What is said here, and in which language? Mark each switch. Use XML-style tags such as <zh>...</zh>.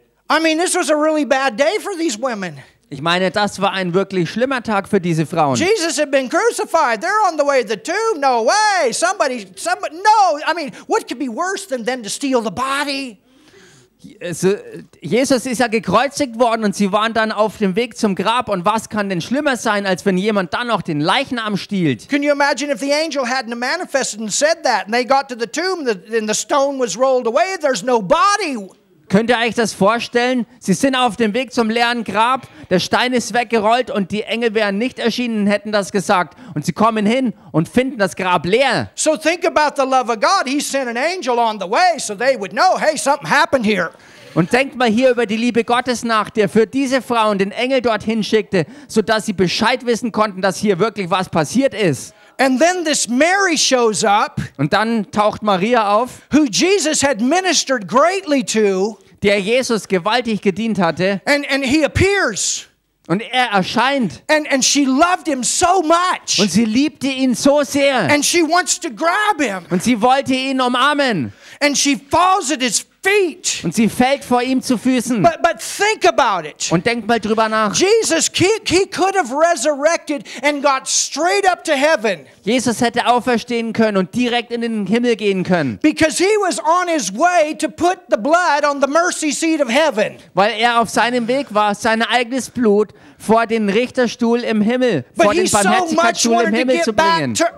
<en>I mean, this was a really bad day for these women.</en> <de>Ich meine, das war ein wirklich schlimmer Tag für diese Frauen.</de> <en>Jesus had been crucified. They're on the way to the tomb. No way. What could be worse than them to steal the body?</en> <de>Jesus ist ja gekreuzigt worden und sie waren dann auf dem Weg zum Grab. Und was kann denn schlimmer sein, als wenn jemand dann noch den Leichnam stiehlt?</de> <en>Can you imagine if the angel hadn't manifested and said that and they got to the tomb and the stone was rolled away? There's no body.</en> <de>Könnt ihr euch das vorstellen? Sie sind auf dem Weg zum leeren Grab, der Stein ist weggerollt und die Engel wären nicht erschienen, hätten das gesagt. Und sie kommen hin und finden das Grab leer.</de> <en>So think about the love of God. He sent an angel on the way, so they would know, hey, something happened here.</en> <de>Und denkt mal hier über die Liebe Gottes nach, der für diese Frauen den Engel dorthin schickte, sodass sie Bescheid wissen konnten, dass hier wirklich was passiert ist.</de> <en>And then this Mary shows up,</en> <de>und dann taucht Maria auf,</de> <en>who Jesus had ministered greatly to,</en> <de>der Jesus gewaltig gedient hatte.</de> <en>And he appears.</en> <de>Und er erscheint.</de> <en>And she loved him so much.</en> <de>Und sie liebte ihn so sehr.</de> <en>And she wants to grab him.</en> <de>Und sie wollte ihn umarmen.</de> <en>And she falls at his feet.</en> <de>Und sie fällt vor ihm zu Füßen.</de> <en>But think about it.</en> <de>Und denk mal drüber nach.</de> <en>Jesus, he could have resurrected and got straight up to heaven.</en> <de>Jesus hätte auferstehen können und direkt in den Himmel gehen können.</de> <en>Because he was on his way to put the blood on the mercy seat of heaven.</en> <de>Weil er auf seinem Weg war, sein eigenes Blut vor den Richterstuhl im Himmel, vor den Barmherzigkeitsstuhl im Himmel zu bringen.</de>